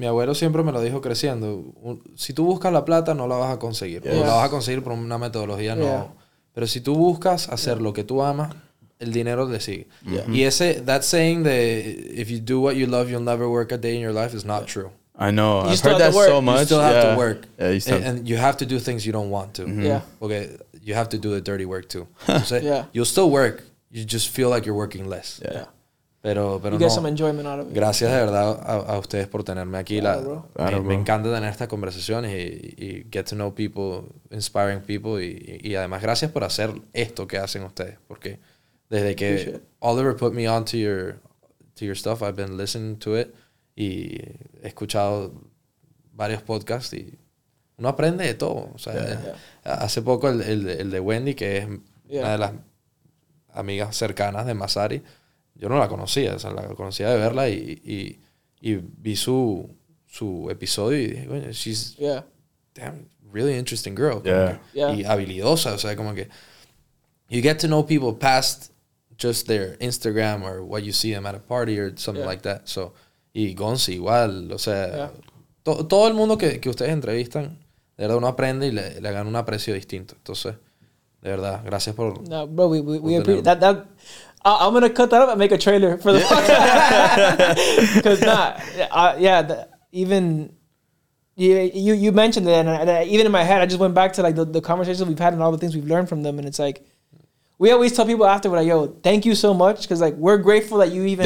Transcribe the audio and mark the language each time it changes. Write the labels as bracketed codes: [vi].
[es] mi abuelo siempre me lo dijo creciendo, si tú buscas la plata no la vas a conseguir. No la vas a conseguir por una metodología no. Pero si tú buscas hacer lo que tú amas, el dinero le sigue. Y ese [en] that saying that if you do what you love you'll never work a day in your life is not true. I know. I've heard that so much. You still have to work. You still and you have to do things you don't want to. Okay, you have to do the dirty work too. You'll still work. You just feel like you're working less. Pero you get some enjoyment out of it. [es] Gracias de verdad a ustedes por tenerme aquí. Me encanta tener estas conversaciones y [en] get to know people, inspiring people. [es] Y además, gracias por hacer esto que hacen ustedes. Porque desde que [en] Oliver put me on to your stuff, I've been listening to it. [es] Y he escuchado varios podcasts y uno aprende de todo. O sea, hace poco el de Wendy, que es una de las amigas cercanas de Masari, yo no la conocía, o sea, la conocía de verla y vi su episodio y dije, bueno, [en] she's damn, really interesting girl. [es] Y habilidosa, o sea, como que [en] you get to know people past just their Instagram or what you see them at a party or something like that. [es] So, y Gonzi igual, o sea, todo el mundo que ustedes entrevistan, de verdad uno aprende y le ganan un aprecio distinto. Entonces, de verdad, gracias por... [en] No, bro, we appreciate that. I'm going to cut that up and make a trailer for the podcast. Because, you mentioned it, and even in my head, I just went back to, like, the conversations we've had and all the things we've learned from them, and it's like, we always tell people after, we're like, yo, thank you so much, because, like, we're grateful that you even,